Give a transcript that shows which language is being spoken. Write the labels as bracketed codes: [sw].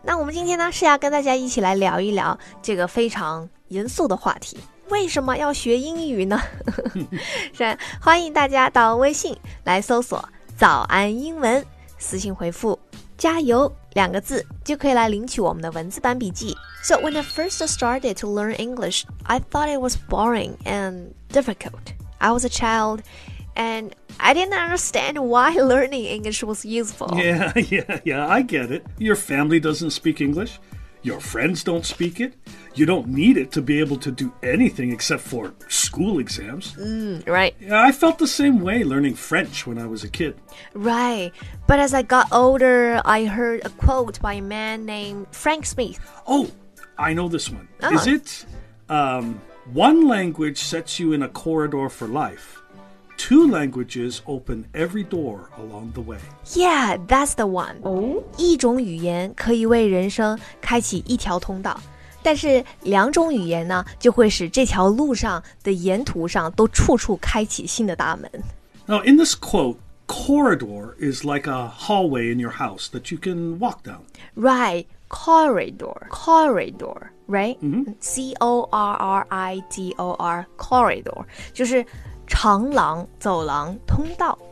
[zh] 那我们今天呢是要跟大家一起来聊一聊这个非常严肃的话题，为什么要学英语呢？是，欢迎大家到微信来搜索早安英文，私信回复加油两个字就可以来领取我们的文字版笔记。 [en] So when I first started to learn English, I thought it was boring and difficult. I was a child, and I didn't understand why learning English was useful. Yeah, I get it. Your family doesn't speak English. Your friends don't speak it. You don't need it to be able to do anything except for school exams. Right. Yeah, I felt the same way learning French when I was a kid. Right. But as I got older, I heard a quote by a man named Frank Smith. Oh,I know this one. Oh. Is it, one language sets you in a corridor for life. Two languages open every door along the way. Yeah, that's the one. Oh. [zh] 一种语言可以为人生开启一条通道，但是两种语言呢，就会使这条路上的沿途上都处处开启新的大门。 [en] Now, in this quote,corridor is like a hallway in your house that you can walk down. Right, corridor, right? Mm-hmm. C-O-R-R-I-D-O-R, corridor, [zh] 就是长廊、走廊、通道。